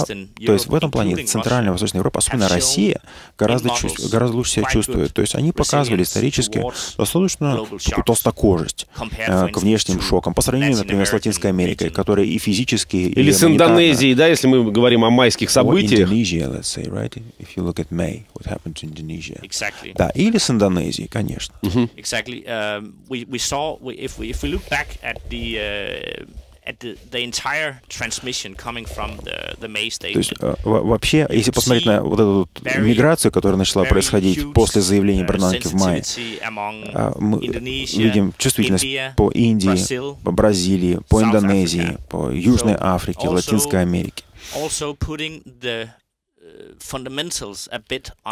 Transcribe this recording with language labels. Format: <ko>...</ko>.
<ru>То есть в этом плане Центральная и Восточная Европа, особенно Россия, гораздо лучше себя чувствует. То есть они показывали исторически достаточно такую толстокожесть к внешним шокам по сравнению, например, с Латинской Америкой, которая и физически, и или с Индонезией, да, если мы говорим о майских событиях.</ru> <en>Let's say, right? If you look at May, what happened to Indonesia? Exactly.</en> <ru>Да, или с Индонезией, конечно.</ru> <en>Mm-hmm. Exactly. We saw if we look back at the entire transmission coming from the May statement.</en> <ru>То есть вообще, если посмотреть на вот эту вот миграцию, которая начала происходить после заявления Бернанке в мае, мы видим чувствительность по Индии, по Бразилии, по Индонезии, по Южной Африке, Латинской Америке.</ru> <en>Also putting the fundamentals a bit on.</en>